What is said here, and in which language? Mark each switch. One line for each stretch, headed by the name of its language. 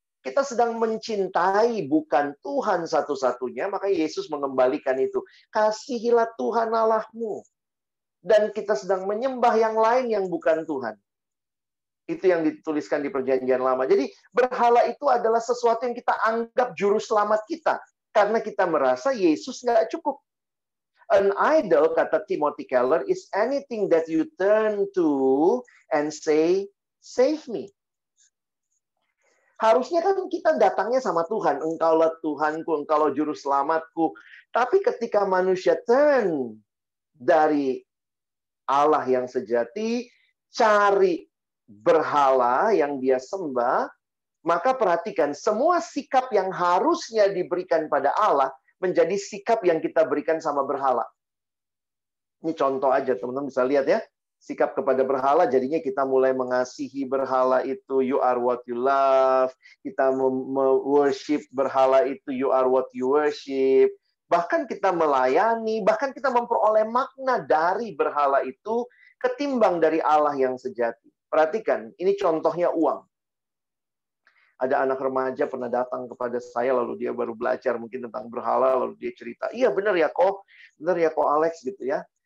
Indonesian: Kita sedang mencintai bukan Tuhan satu-satunya, maka Yesus mengembalikan itu. Kasihilah Tuhan Allahmu. Dan kita sedang menyembah yang lain yang bukan Tuhan. Itu yang dituliskan di Perjanjian Lama. Jadi berhala itu adalah sesuatu yang kita anggap juru selamat kita. Karena kita merasa Yesus nggak cukup.
English: An idol,
Indonesian: kata Timothy Keller,
English: is anything that you turn to and say, save me.
Indonesian: Harusnya kan kita datangnya sama Tuhan. Engkaulah Tuhanku, engkaulah juru selamatku. Tapi ketika manusia turn dari Allah yang sejati, cari berhala yang dia sembah, maka perhatikan, semua sikap yang harusnya diberikan pada Allah menjadi sikap yang kita berikan sama berhala. Ini contoh aja, teman-teman bisa lihat ya. Sikap kepada berhala, jadinya kita mulai mengasihi berhala itu,
English: you are what you love.
Indonesian: Kita worship berhala itu,
English: you are what you worship.
Indonesian: Bahkan kita melayani, bahkan kita memperoleh makna dari berhala itu ketimbang dari Allah yang sejati. Perhatikan, ini contohnya uang. Ada anak remaja pernah datang kepada saya, lalu dia baru belajar mungkin tentang berhala, lalu dia cerita, iya benar ya kok Alex gitu ya.